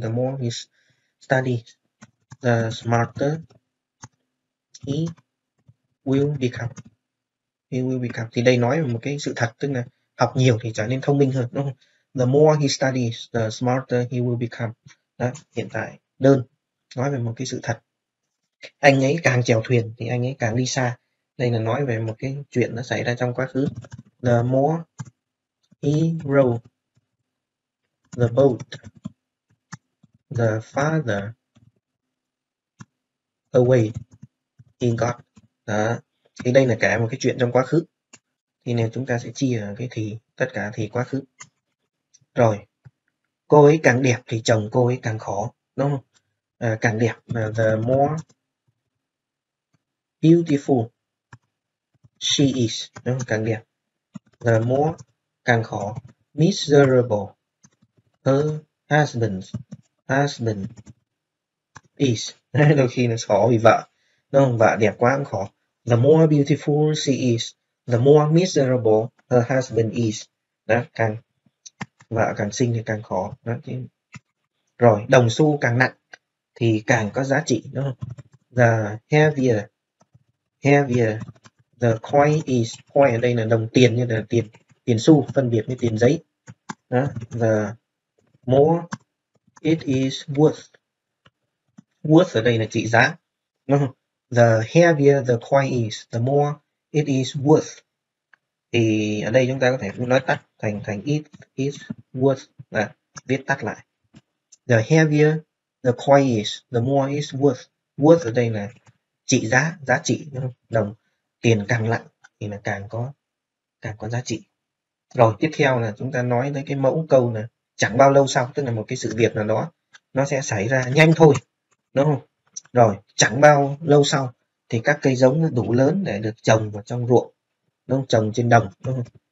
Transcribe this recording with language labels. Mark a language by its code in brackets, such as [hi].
[en] The more he study, the smarter he will become. [vi] Thì đây nói về một cái sự thật, tức là học nhiều thì trở nên thông minh hơn, đúng không? [en] The more he studies, the smarter he will become. [vi] Đó, hiện tại đơn nói về một cái sự thật. Anh ấy càng chèo thuyền thì anh ấy càng đi xa. Đây là nói về một cái chuyện nó xảy ra trong quá khứ. [en] The more he rowed the boat, the farther away he got. [vi] Đó. Thì đây là cả một cái chuyện trong quá khứ. Thì nếu chúng ta sẽ chia cái thì tất cả thì quá khứ. Rồi, cô ấy càng đẹp thì chồng cô ấy càng khó, đúng không? Càng đẹp, [en] the more beautiful she is, [vi] đúng không? Càng đẹp, [en] the more [vi] càng khó. [en] Miserable her husband is. [vi] Đôi khi nó khó vì vợ, đúng không? Vợ đẹp quá cũng khó. [en] The more beautiful she is, the more miserable her husband is. [vi] Đó, càng vợ càng xinh thì càng khó. Đó, chứ. Rồi, đồng xu càng nặng thì càng có giá trị, đúng không? [en] The heavier the coin is. [vi] Coin ở đây là đồng tiền, như là tiền tiền xu, phân biệt với tiền giấy. [en] Đó, the more it is worth. [vi] Worth ở đây là trị giá, đúng không? [en] The heavier the coin is, the more it is worth. [vi] Thì ở đây chúng ta có thể nói tắt thành thành [en] it is worth, [vi] là viết tắt lại. [en] The heavier the coin is, the more it's worth. [vi] Worth ở đây là trị giá, giá trị, đúng không? Đồng tiền càng nặng thì là càng có giá trị. Rồi, tiếp theo là chúng ta nói tới cái mẫu câu là chẳng bao lâu sau, tức là một cái sự việc nào đó nó sẽ xảy ra nhanh thôi, đúng không? Rồi, chẳng bao lâu sau thì các cây giống nó đủ lớn để được trồng vào trong ruộng, đúng không? Trồng trên đồng, đúng không?